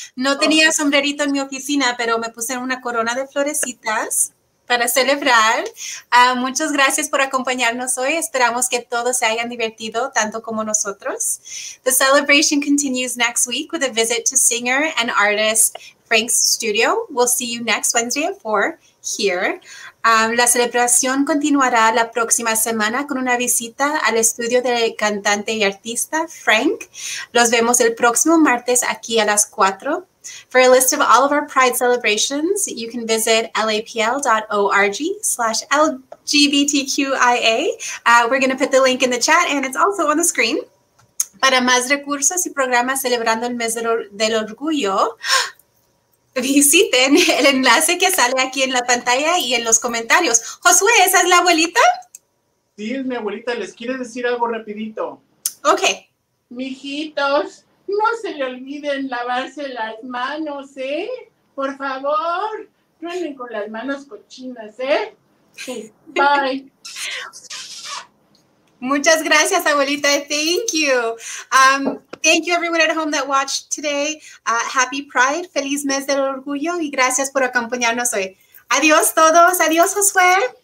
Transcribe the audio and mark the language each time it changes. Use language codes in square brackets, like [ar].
[es] No tenía sombrerito en mi oficina, pero me puse una corona de florecitas para celebrar. Muchas gracias por acompañarnos hoy. Esperamos que todos se hayan divertido, tanto como nosotros. [en] The celebration continues next week with a visit to singer and artist Frank's studio. We'll see you next Wednesday at 4 here. [es] La celebración continuará la próxima semana con una visita al estudio del cantante y artista Frank. Los vemos el próximo martes aquí a las 4. [en] For a list of all of our Pride celebrations, you can visit lapl.org/LGBTQIA. We're going to put the link in the chat and it's also on the screen. [es] Para más recursos y programas celebrando el mes del orgullo, visiten el enlace que sale aquí en la pantalla y en los comentarios. Josué, ¿esa es la abuelita? Sí, es mi abuelita. Les quiere decir algo rapidito. Ok. Mijitos, no se le olviden lavarse las manos, ¿eh? Por favor, truenen con las manos cochinas, ¿eh? [en] Bye. [es] Muchas gracias, abuelita. [en] Thank you. Thank you, everyone at home that watched today. Happy Pride. [es] Feliz Mes del Orgullo. Y gracias por acompañarnos hoy. Adiós, todos. Adiós, Josué.